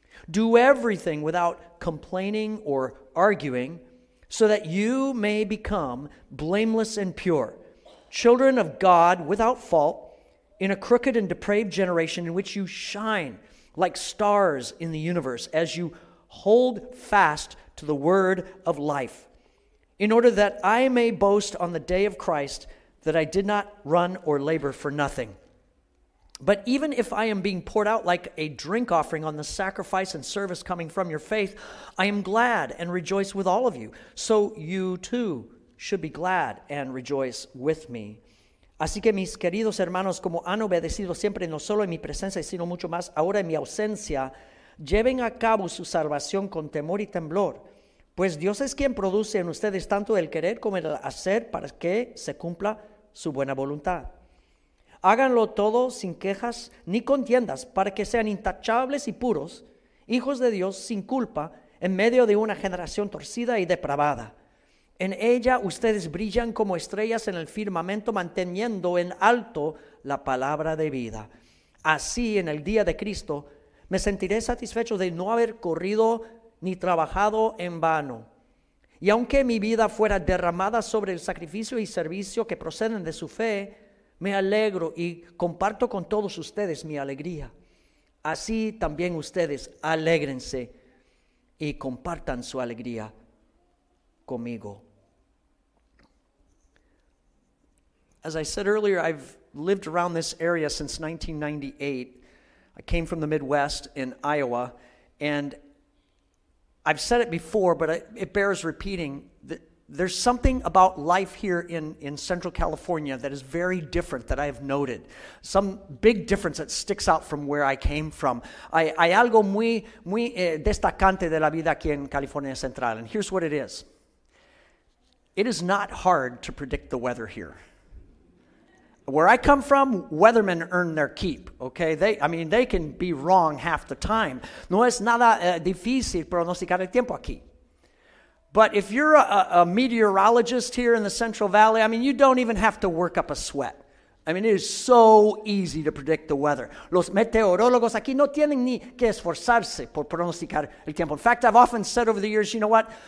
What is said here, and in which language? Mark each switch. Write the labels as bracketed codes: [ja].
[en] Do everything without complaining or arguing, so that you may become blameless and pure, children of God without fault, in a crooked and depraved generation in which you shine like stars in the universe, as you hold fast to the word of life, in order that I may boast on the day of Christ that I did not run or labor for nothing. But even if I am being poured out like a drink offering on the sacrifice and service coming from your faith, I am glad and rejoice with all of you. So you too should be glad and rejoice with me. [es] Así que mis queridos hermanos, como han obedecido siempre no solo en mi presencia, sino mucho más ahora en mi ausencia, lleven a cabo su salvación con temor y temblor, pues Dios es quien produce en ustedes tanto el querer como el hacer para que se cumpla su buena voluntad. Háganlo todo sin quejas ni contiendas para que sean intachables y puros, hijos de Dios sin culpa en medio de una generación torcida y depravada. En ella ustedes brillan como estrellas en el firmamento, manteniendo en alto la palabra de vida. Así, en el día de Cristo, me sentiré satisfecho de no haber corrido ni trabajado en vano. Y aunque mi vida fuera derramada sobre el sacrificio y servicio que proceden de su fe, me alegro y comparto con todos ustedes mi alegría. Así también ustedes alégrense y compartan su alegría conmigo." [en] As I said earlier, I've lived around this area since 1998. I came from the Midwest in Iowa, and I've said it before, but it bears repeating, that there's something about life here in Central California that is very different that I have noted. Some big difference that sticks out from where I came from. [es] Hay algo muy, muy destacante de la vida aquí en California Central, [en] and here's what it is. It is not hard to predict the weather here. Where I come from, weathermen earn their keep, okay? They can be wrong half the time. [es] No es nada difícil pronosticar el tiempo aquí. [en] But if you're a meteorologist here in the Central Valley, I mean, you don't even have to work up a sweat. I mean, it is so easy to predict the weather. [es] Los meteorólogos aquí no tienen ni que esforzarse por pronosticar el tiempo. [en] In fact, I've often said over the years, you know what?